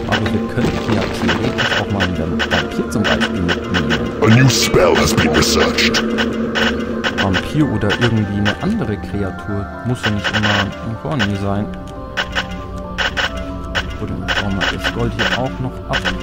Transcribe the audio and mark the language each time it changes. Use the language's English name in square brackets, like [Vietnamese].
[German] Aber wir könnten hier theoretisch auch mal einen Vampir zum Beispiel mitnehmen. [English] A new spell has been researched. [German] Vampir oder irgendwie eine andere Kreatur. Muss ja nicht immer ein Horny sein. Oder bauen wir das Gold hier auch noch ab.